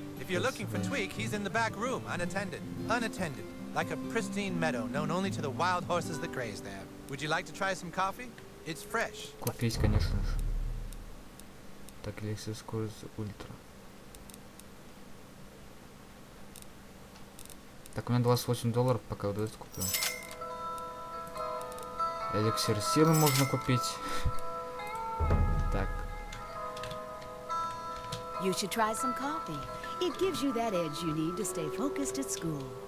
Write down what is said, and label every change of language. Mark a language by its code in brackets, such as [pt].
[en] If you're looking for Tweak, he's in the back room, unattended. Unattended. Like a pristine meadow, known only to the wild horses that graze there. Would you like to try some coffee? It's fresh. [ru] Кофе есть, конечно же. Так, если скорость ультра. Так, у меня $28, пока вот это куплю. Эликсир силы можно купить. Так. [en] You should try some coffee. It gives you that edge you need to stay focused at school.